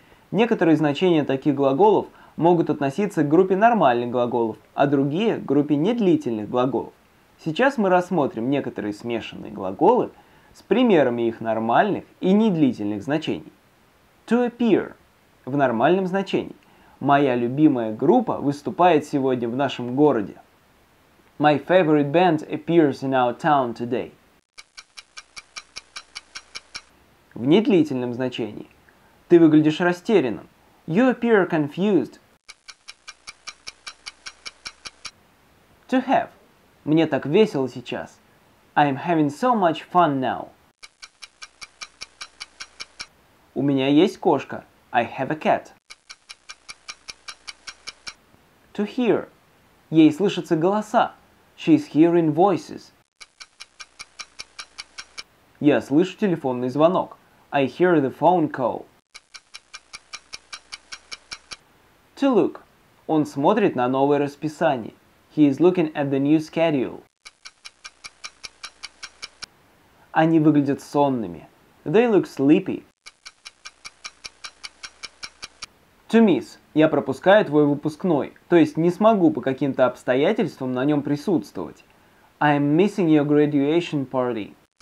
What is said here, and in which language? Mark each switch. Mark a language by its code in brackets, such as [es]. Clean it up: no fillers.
[ru] Некоторые значения таких глаголов могут относиться к группе нормальных глаголов, а другие – к группе недлительных глаголов. Сейчас мы рассмотрим некоторые смешанные глаголы с примерами их нормальных и недлительных значений. [en] To appear [ru] – в нормальном значении. Моя любимая группа выступает сегодня в нашем городе. [en] My favorite band appears in our town today. [ru] В недлительном значении. Ты выглядишь растерянным. [en] You appear confused. To have. [ru] Мне так весело сейчас. [en] I'm having so much fun now. [ru] У меня есть кошка. [en] I have a cat. To hear. [ru] Ей слышатся голоса. [en] She's hearing voices. [ru] Я слышу телефонный звонок. [en] I hear the phone call. To look. [ru] Он смотрит на новое расписание. [en] He is looking at the new schedule. [ru] Они выглядят сонными. [en] They look sleepy. To miss. [ru] Я пропускаю твой выпускной, то есть не смогу по каким-то обстоятельствам на нем присутствовать. [en] I am missing your graduation party.